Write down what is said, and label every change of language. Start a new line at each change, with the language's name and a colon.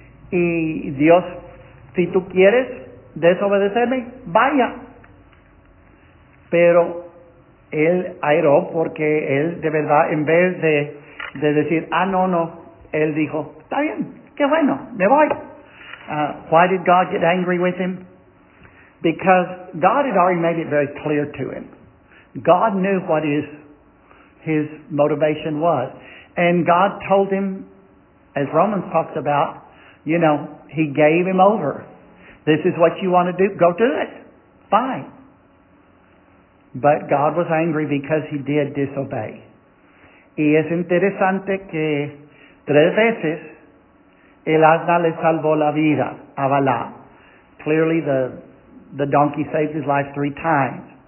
Spanish: Y Dios, si tú quieres desobedecerme, vaya. Pero él airó porque él, de verdad, en vez de decir, ah, no, no, él dijo, está bien, qué bueno, me voy.
English: Why did God get angry with him? Because God had already made it very clear to him. God knew what his motivation was. And God told him, as Romans talks about, you know, he gave him over. This is what you want to do? Go do it. Fine. But God was angry because he did disobey.
Spanish: Y es interesante que tres veces el asna le salvó la vida a Balaam.
English: clearly the donkey saved his life three times.